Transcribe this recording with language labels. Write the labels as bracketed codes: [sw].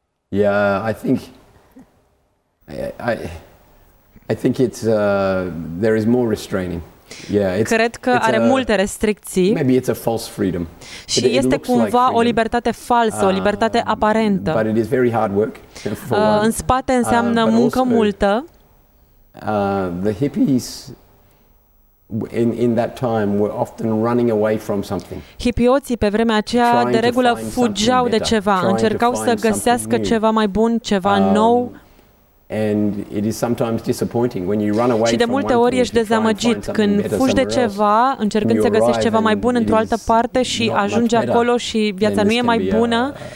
[en] Yeah, I think it's there is more restraining. Yeah, it's [ro] cred că [en] it's [ro] are multe restricții. [en] Maybe it's a false freedom. [ro] Și este cumva like o libertate falsă, o libertate aparentă. [en] But it is very hard work. [ro] În spate înseamnă muncă multă. [en] The hippies in that time were often running away from something. [ro] Hipioții pe vremea aceea de regulă fugeau de ceva, încercau să găsească ceva mai bun, ceva nou. [en] And it is sometimes disappointing when you run away. [ro] Și de multe ori ești dezamăgit când fugi de ceva, încercând să găsești ceva mai bun într-o altă parte și ajungi acolo și viața nu e mai bună.